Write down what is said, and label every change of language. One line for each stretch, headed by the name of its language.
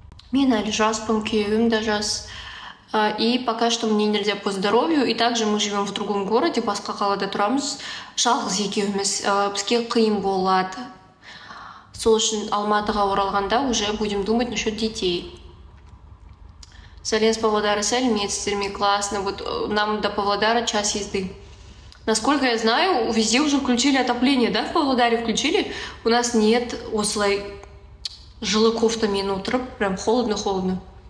Kazakh: Мен әлі жаспын, күйеуім де жас.
Russian: И пока что мне нельзя по здоровью. И также мы живем в другом городе,
Kazakh: басқа қалада тұрамыз. Жалғыз екеуміз. Бізге қиын болады. Сол үшін Алматыға оралғанда
Russian: уже будем думать насчет детей.
Kazakh: Сәлем, Павлодара, сәлеметсіздерме, классно.
Russian: Вот нам до Павлодара час езды. Насколько я знаю, везде уже включили отопление, да, в Павлодаре включили? У нас нет
Kazakh: осылай жылы
Russian: кофтами на утро, прям холодно-холодно.